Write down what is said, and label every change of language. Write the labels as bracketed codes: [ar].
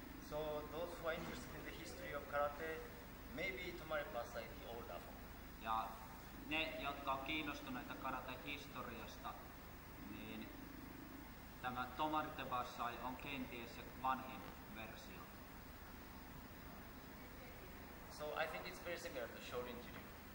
[en] So those who are interested in the history of karate, maybe tomarite bassa is the older form. [fi] Ja ne, jotka on kiinnostuneita karate-historiasta, niin tämä tomarite bassai on kenties se vanhin versio. [en] So I think it's very similar to shorin jiri.